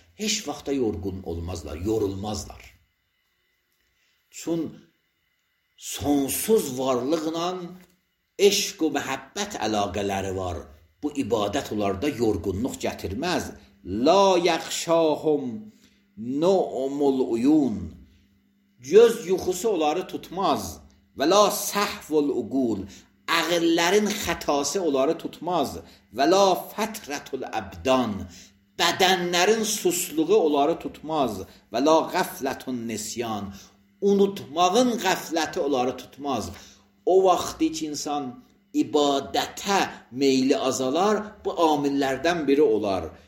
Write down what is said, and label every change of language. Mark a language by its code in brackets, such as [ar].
[az] Heç vaxta yorğun olmazlar, yorulmazlar. Çün sonsuz varlıqla eşq və məhəbbət əlaqələri var. Bu ibadət onlarda yorğunluq gətirməz. [ar] La yəxşahum nu'mul uyun. [az] Göz yuxusu onları tutmaz. [ar] Və la səhvul uqul. [az] Ağıllərin xətası onları tutmaz. [ar] Və la fətrətul əbdan. [az] Bədənlərin susluğu onları tutmaz. [ar] Və la qəflətun nisyan. [az] Unutmağın qəfləti onları tutmaz. O vaxt ki, insan ibadətə meyli azalar, bu amillərdən biri olar.